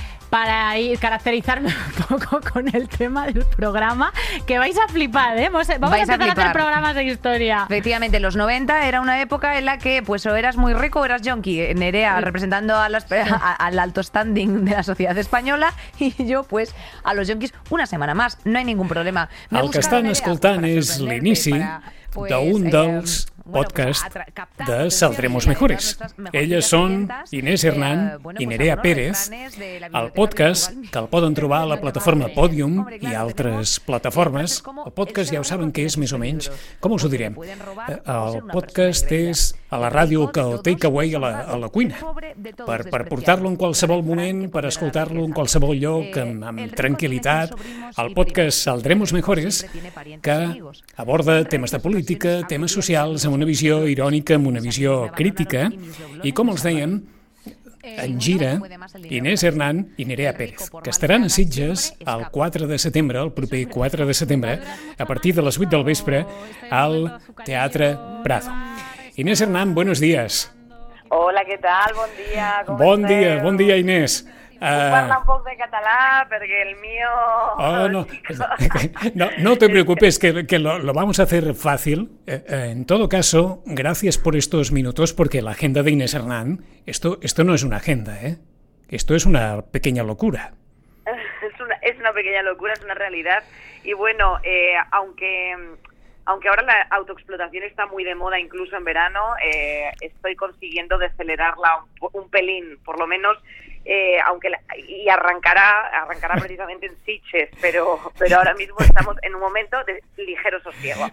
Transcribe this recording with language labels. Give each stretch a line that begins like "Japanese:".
Spanish: Para ir, caracterizarme un poco con el tema del programa, que vais a flipar, ¿eh? Vamos a empezar a hacer programas de historia. Efectivamente, los 90 era una época en la que pues o eras muy rico o eras yonki, Nerea, representando al alto standing de la sociedad española, y yo pues a los yonkis una semana más, no hay ningún problema.
Catalan: Al que estan escoltant és l'inici d'un dels podcast de Saldremos Mejores. Elles són Inés Hernán i Nerea Pérez, el podcast que el poden trobar a la plataforma Podium i altres plataformes. El podcast ja ho saben que és més o menys, com us ho direm? El podcast és a la ràdio que el takeaway a la cuina, per portar-lo en qualsevol moment, per escoltar-lo en qualsevol lloc, amb tranquil·litat. El podcast Saldremos Mejores, que aborda temes de política, temes socials, amb una visió irònica, amb una visió crítica, i com els deien, en gira Inés Hernán i Nerea Pérez, que estaran a Sitges el 4 de setembre, el proper 4 de setembre, a partir de les 8 del vespre, al Teatre Prado.
Spanish: Inés Hernán, buenos días.
Catalan: Hola, què tal? Bon dia. Bon dia, Inés. Parla un poc de català, perquè el mío...
Spanish: Oh, no. No te preocupes, que lo vamos a hacer fácil. En todo caso, gracias por estos minutos, porque la agenda de Inés Hernán, esto no es una agenda, ¿eh? Esto es una pequeña locura. Es una pequeña locura, es una realidad. Y bueno, aunque ahora la autoexplotación está muy de moda, incluso en verano, estoy consiguiendo decelerarla un pelín, por lo menos, y arrancará precisamente en Sitges, pero ahora mismo estamos en un momento de ligero sosiego.